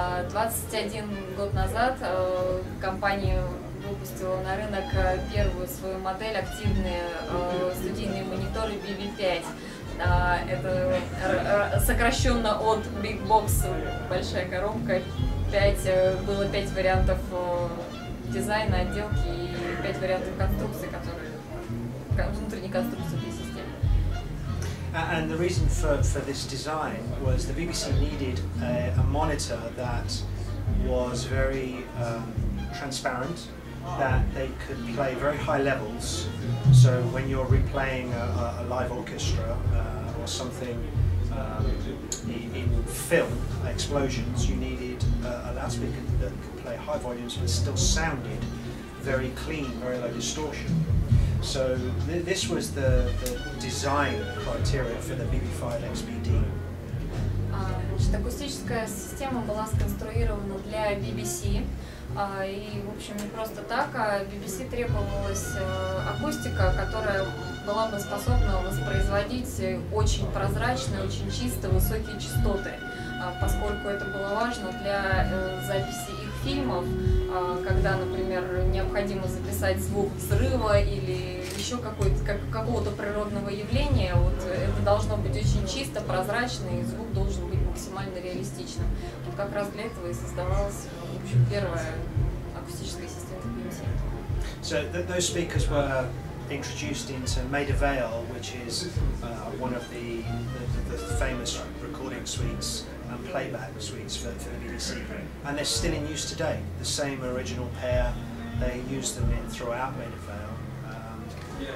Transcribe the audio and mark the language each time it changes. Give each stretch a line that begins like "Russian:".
Russian: 21 год назад компания выпустила на рынок первую свою модель, активные студийные мониторы BB5. Это сокращенно от Big Box, большая коробка. 5 вариантов дизайна, отделки и 5 вариантов конструкции, внутренней конструкции этой системы.
English: And the reason for this design was the BBC needed a monitor that was very transparent, that they could play very high levels. So when you're replaying a live orchestra, something in film explosions, you needed a loudspeaker that could play high volumes but still sounded very clean, very low distortion. So this was the design criteria for the BB5 XPD.
Russian: Акустическая система была сконструирована для BBC. И, в общем, не просто так, а BBC требовалась акустика, которая была бы способна воспроизводить очень прозрачные, очень чистые, высокие частоты, поскольку это было важно для записи их фильмов, когда, например, необходимо записать звук взрыва или еще какого-то природного явления, вот это должно быть очень чисто, прозрачно, и звук должен быть максимально реалистичным. Вот как раз для этого и создавалась, в общем, первая акустическая система PMC.
English: So those speakers were introduced into Maida Vale, which is one of the famous recording suites and playback suites for the BBC. And they're still in use today, the same original pair. They use them in throughout Maida Vale.